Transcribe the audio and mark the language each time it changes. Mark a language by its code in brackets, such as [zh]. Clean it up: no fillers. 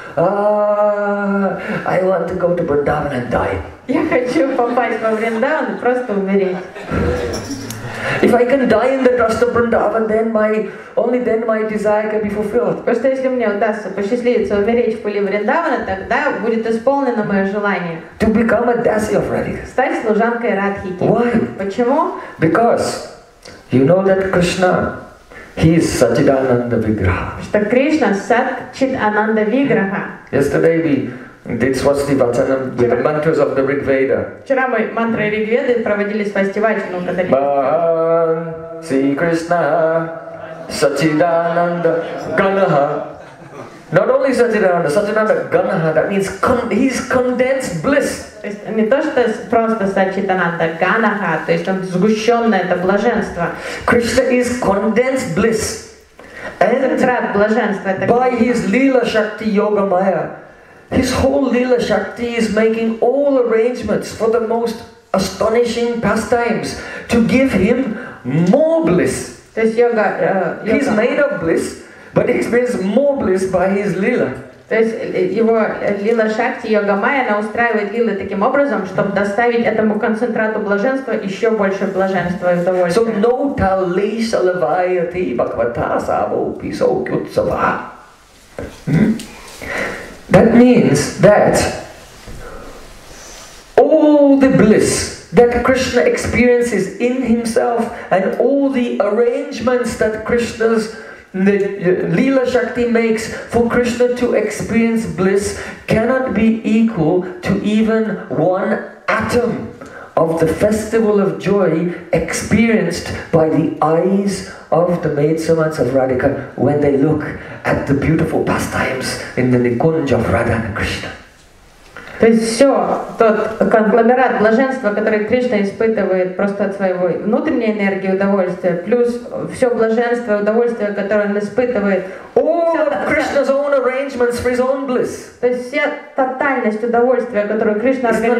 [en] I want to go to Vrindavan and die. [ru] Я хочу попасть во Вриндаван, просто умереть. [en] If I can die in the dust of Vrindavan, then my only then my desire can be fulfilled. [ru] Просто если мне удастся посчастливиться умереть в пыли Вриндавана, тогда будет исполнено мое желание. [en] To become a dasi of Radhika. [ru] Стать служанкой Радхики. [en] Why? [ru] Почему? [en] Because you know that Krishna, he is Satchidananda Vigraha. [ru] Что Кришна Сатчидананда Виграха. [en] Yesterday we did swasti bhajanam with the mantras of the Rig Veda. [ru] Вчера мы мантры Риг Веды проводили свасти вачану [sa] кадали. Бхаван Си Кришна Сатчидананда Ганаха. [en] Not only Satchidananda, Satchidananda Ganaha, that means he's condensed bliss. [ru] Не то, что просто Satchidananda Ganaha, то есть он сгущенное, это блаженство. [en] Krishna is condensed bliss. And by his Lila Shakti Yoga Maya, his whole Lila Shakti is making all arrangements for the most astonishing pastimes to give him more bliss. [ru] То есть йога, [en] he's made of bliss. But he experiences more bliss by his lila. [ru] То есть его лила шакти йога майя, она устраивает лилы таким образом, чтобы доставить этому концентрату блаженства еще больше блаженства и удовольствия. [sa] So no talisha lavayati bhagavata savopi sokyutsava. [en] That means that all the bliss that Krishna experiences in himself and all the arrangements that Krishna's the Lila Shakti makes for Krishna to experience bliss cannot be equal to even one atom of the festival of joy experienced by the eyes of the maidservants of Radhika when they look at the beautiful pastimes in the Nikunj of Radha and Krishna. [ru] То есть все, тот конгломерат блаженства, который Кришна испытывает просто от своего внутренней энергии удовольствия, плюс все блаженство и удовольствие, которое он испытывает. [en] Krishna's own arrangements for his own bliss. [ru] То есть вся тотальность удовольствия, которую Кришна организовал.